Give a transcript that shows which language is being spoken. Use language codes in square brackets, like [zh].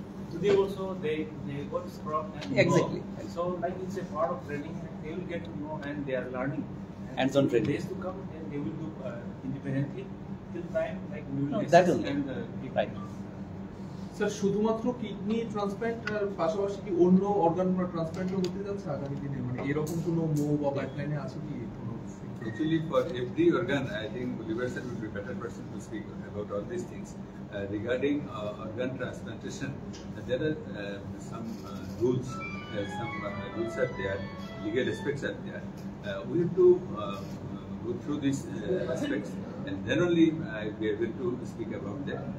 [en] Today also they got scrub and exactly. So like it's a part of training, they will get to know and they are learning. Hands-on training. Days to come, then they will do independently. Till time, like we will assist and [bn] Sir, শুধুমাত্র kidney transplant আর পাশাপাশি কি অন্য organ transplant হতে যাচ্ছে আগামী দিনে, মানে এরকম কোনো মো বা পাইপলাইনে আছে কি? [en] Actually, for every organ, I think Gulliver sir would be a better person to speak about all these things. Regarding organ transplantation, there are some rules, rules are there, legal aspects are there. We have to go through these aspects, and then only I'll be able to speak about that.